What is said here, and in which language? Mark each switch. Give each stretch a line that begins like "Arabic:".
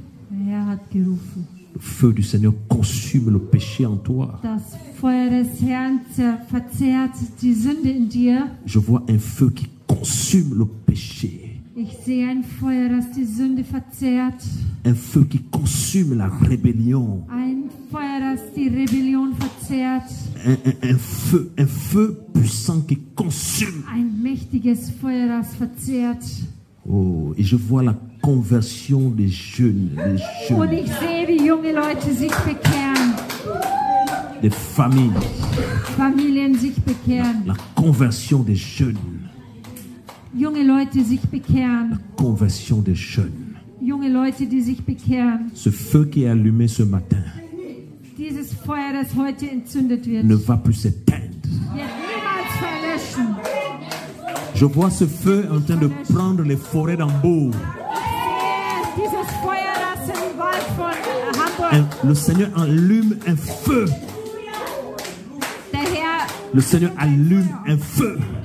French: Le feu du Seigneur consume le péché en toi.
German: Das Feuer des Herrn verzehrt die Sünde in dir.
French: Je vois un feu qui consume le péché.
German: Ich sehe ein Feuer, das die Sünde verzehrt.
French: Un feu qui consume la rébellion.
German: Ein Feuer, das die Rébellion verzehrt.
French: Un feu puissant qui consume.
German: Ein mächtiges Feuer, das verzehrt.
French: Oh, et je vois la conversion des jeunes.
German: Und ich sehe, wie junge Leute sich bekehren.
French: des familles.
German: Familien sich bekehren.
French: La conversion des jeunes.
German: Junge Leute sich bekehren.
French: La conversion des jeunes.
German: Junge Leute, die sich bekehren.
French: Ce feu qui est allumé ce matin.
German: Dieses Feuer, das heute entzündet wird.
French: Ne va plus s'éteindre.
German: Niemals verlöschen.
French: Je vois ce feu en train verlöschen. De prendre les forêts d'Hambourg.
German: Dieses Feuer, das in den Wald von Hamburg.
French: Le Seigneur allume un feu.
German: Der Herr.
French: Le Seigneur allume un feu.